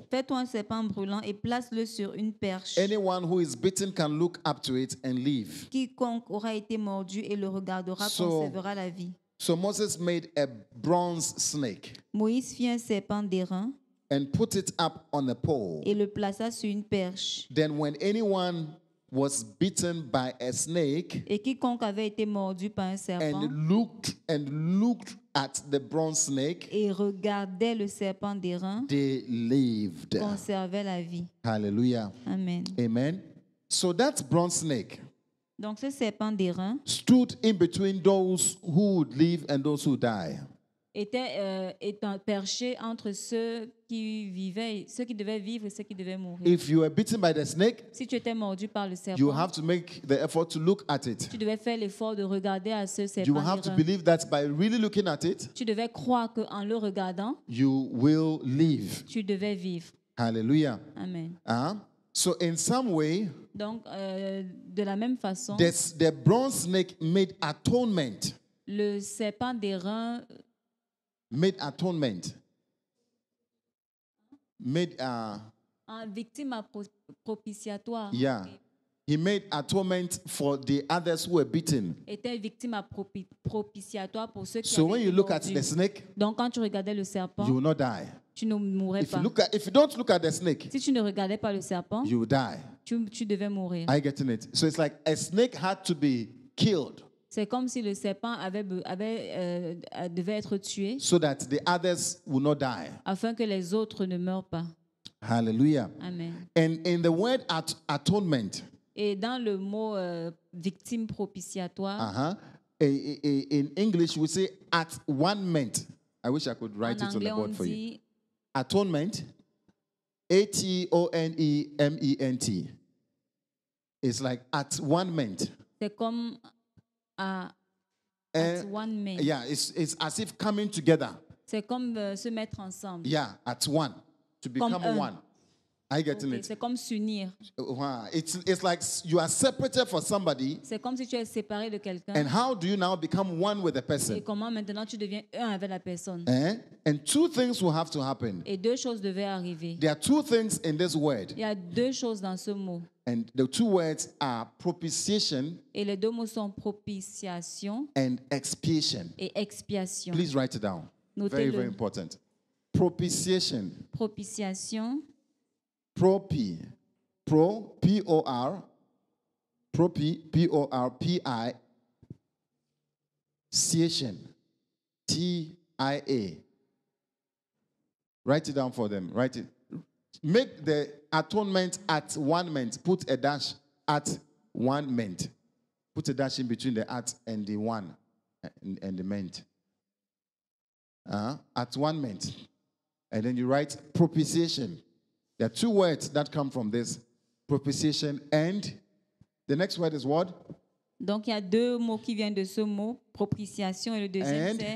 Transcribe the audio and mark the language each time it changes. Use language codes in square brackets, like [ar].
[fr] Fais-toi un serpent brûlant et place-le sur une perche. [en] Anyone who is bitten can look up to it and live. [fr] Quiconque aura été mordu et le regardera conservera la vie. [en] So Moses made a bronze snake. [fr] Moïse fit un serpent d'airain. [en] And put it up on a pole. [fr] Et le plaça sur une perche. [en] Then when anyone was bitten by a snake. [fr] Et quiconque avait été mordu par un serpent. [en] And looked at the bronze snake. [fr] Et regardait le serpent d'airain. [en] They lived. [fr] Conservait la vie. Hallelujah. Amen. [en] Amen. So that bronze snake. [fr] Donc ce serpent d'airain [en] stood in between those who would live and those who die. [fr] Était étant perché entre ceux qui vivaient, ceux qui devaient vivre et ceux qui devaient mourir. [en] If you were bitten by the snake, [fr] si tu étais mordu par le serpent, [en] you have to make the effort to look at it. [fr] Tu devais faire l'effort de regarder à ce serpent. [en] You have to believe that by really looking at it, [fr] tu devais croire que en le regardant, [en] you will live. [fr] Tu devais vivre. Hallelujah. Amen. [en] So in some way, [fr] donc, de la même façon, [en] the bronze snake made atonement. [fr] Le serpent d'airain [en] made atonement. Made [fr] un victime propitiatoire. [en] Yeah. He made atonement for the others who were beaten. [fr] Était victime propitiatoire pour ceux qui [en] so when you look at the snake, [fr] donc quand tu regardais le serpent, [en] you will not die. [fr] Tu ne mourrais [en] if [fr] pas. [en] If you don't look at the snake, [fr] si tu ne regardais pas le serpent, [en] you will die. [fr] Tu devais mourir. [en] Are you getting it? So it's like a snake had to be killed. [fr] C'est comme si le serpent devait être tué. [en] So that the others will not die. [fr] Afin que les autres ne meurent pas. Hallelujah. Amen. [en] And in the word atonement. [fr] Et dans le mot victime propitiatoire. [en] In English we say at one ment. I wish I could write it on the board for you. Atonement. A-T-O-N-E-M-E-N-T. It's like at one ment. [fr] C'est comme [en] at one ment. Yeah, it's as if coming together. [fr] C'est comme se mettre ensemble. [en] Yeah, at one. To become [fr] comme [en] one. Are you getting okay, it? [fr] C'est comme s'unir. [en] Wow. It's like you are separated for somebody. [fr] C'est comme si tu es séparé de quelqu'un. [en] And how do you now become one with the person? [fr] Et comment maintenant tu deviens un avec la personne? [en] Eh? And two things will have to happen. [fr] Et deux choses devaient arriver. [en] There are two things in this word. [fr] Il y a deux choses dans ce mot. [en] And the two words are propitiation. [fr] Et les deux mots sont propitiation. [en] And expiation. [fr] Et expiation. [en] Please write it down. [fr] Notez-le. [en] Very, very important. Propitiation. Propitiation. Propi. Pro, P-O-R. Propi, P-O-R-P-I. Ciation. T-I-A. Write it down for them. Write it. Make the atonement at one ment. Put a dash at one ment. Put a dash in between the at and the one and the ment. At one ment. And then you write propitiation. There are two words that come from this. Propitiation and the next word is what? [fr] Donc il y a deux mots qui viennent de ce mot, propitiation et le deuxième c'est